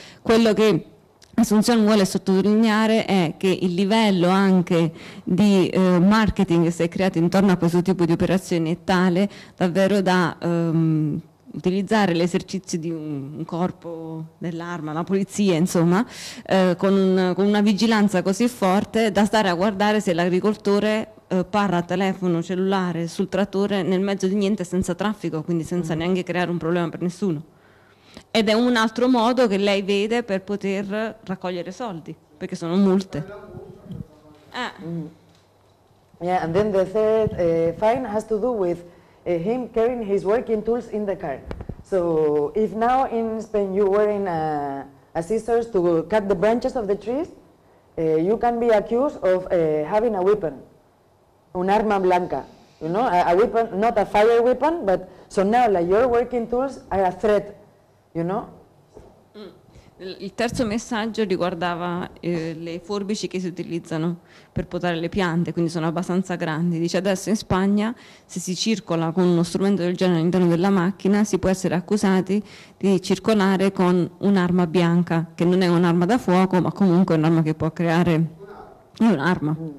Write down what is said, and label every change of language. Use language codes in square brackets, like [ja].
[it] Quello che Assunzione vuole sottolineare è che il livello anche di marketing che si è creato intorno a questo tipo di operazioni è tale davvero da utilizzare l'esercizio di un corpo dell'arma, la polizia insomma, con una vigilanza così forte da stare a guardare se l'agricoltore parla a telefono, cellulare, sul trattore, nel mezzo di niente, senza traffico, quindi senza neanche creare un problema per nessuno. Ed è un altro modo che lei vede per poter raccogliere soldi, perché sono multe. [en] Yeah, and then the third fine has to do with him carrying his working tools in the car. So if now in Spain you wearing a scissors to cut the branches of the trees, you can be accused of having a weapon. [es] Un arma blanca, [en] you know, a weapon, not a fire weapon, but so now like your working tools are a threat, you know? [it] Il terzo messaggio riguardava le forbici che si utilizzano per potare le piante, quindi sono abbastanza grandi. Dice adesso in Spagna se si circola con uno strumento del genere all'interno della macchina si può essere accusati di circolare con un'arma bianca, che non è un'arma da fuoco, ma comunque è un'arma che può creare... È un'arma.